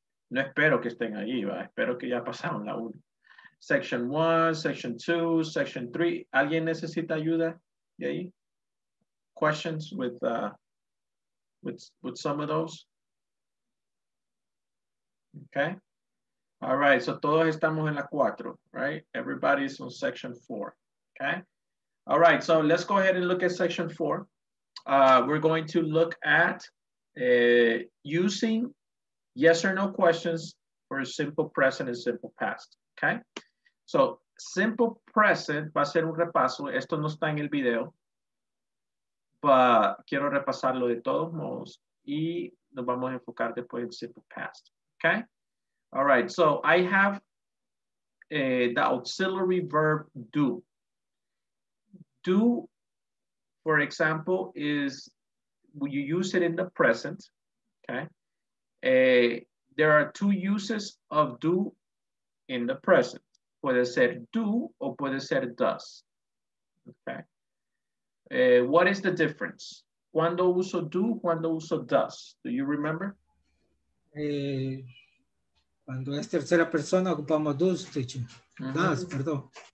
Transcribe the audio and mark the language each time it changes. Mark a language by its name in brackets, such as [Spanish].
[Spanish] No espero que estén ahí, ¿va? Espero que ya pasaron la 1. [English] Section 1, section 2, section 3. [Spanish] ¿Alguien necesita ayuda de ahí? [English] Questions with some of those? Okay. All right, so [Spanish] todos estamos en la cuatro, right? [English] Everybody's on section 4, okay? All right, so let's go ahead and look at section 4. We're going to look at using yes or no questions for a simple present and simple past, okay? [Spanish] So simple present va a ser un repaso. Esto no está en el video, [English] but [Spanish] quiero repasarlo de todos modos y nos vamos a enfocar después en simple past, okay? [English] All right, so I have the auxiliary verb do. Do, for example, is you use it in the present, okay? There are two uses of do in the present. [Spanish] Puede ser do o puede ser does, okay? [English] What is the difference? [Spanish] ¿Cuándo uso do, cuándo uso does? [English] Do you remember? [Spanish] Cuando es tercera persona, ocupamos dos, teacher. Das, mm-hmm. Perdón.